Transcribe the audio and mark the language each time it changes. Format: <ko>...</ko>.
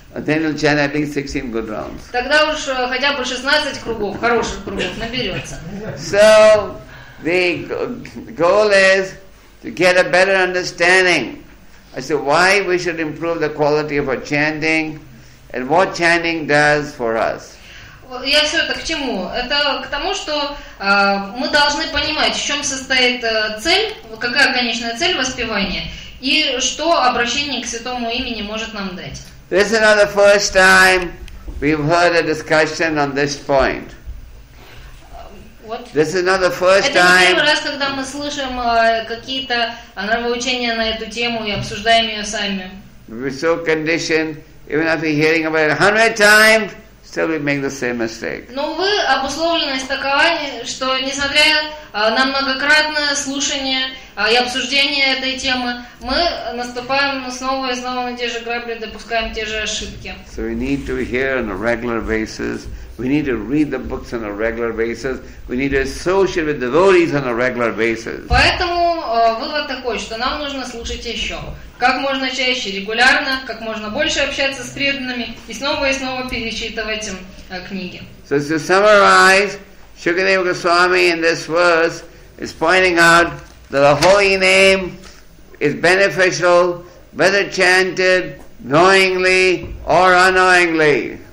<en>And then you'll chant at least 16 good rounds.</en> <ru>Тогда уж хотя бы 16 кругов, хороших кругов наберется.</ru> <en>So, the goal is to get a better understanding as to why we should improve the quality of our chanting and what chanting does for us.</en> <ru>Я все это к чему? Это к тому, что мы должны понимать, в чем состоит цель, какая конечная цель воспевания и что обращение к святому имени может нам дать.</ru> <en>This is not the first time we've heard a discussion on this point. What? This is not the first time.</en> <ru>Это не первый раз, когда мы слышим какие-то нравоучения на эту тему и обсуждаем ее сами.</ru> <en>We're so conditioned, even after hearing about it 100 times, still we make the same mistake.</en> <ru>Но вы обусловленность такова, что несмотря на многократное слушание и обсуждение этой темы, мы наступаем снова и снова на те же грабли, допускаем те же ошибки.</ru> <en>So we need to hear on a regular basis. We need to read the books on a regular basis. We need to associate with devotees on a regular basis.</en> <ru>Поэтому вывод такой, что нам нужно слушать еще. Как можно чаще, регулярно, как можно больше общаться с преданными и снова перечитывать книги.</ru> <en>So to summarize, Shukadeva Goswami in this verse is pointing out that the holy name is beneficial, whether chanted knowingly or unknowingly.</en>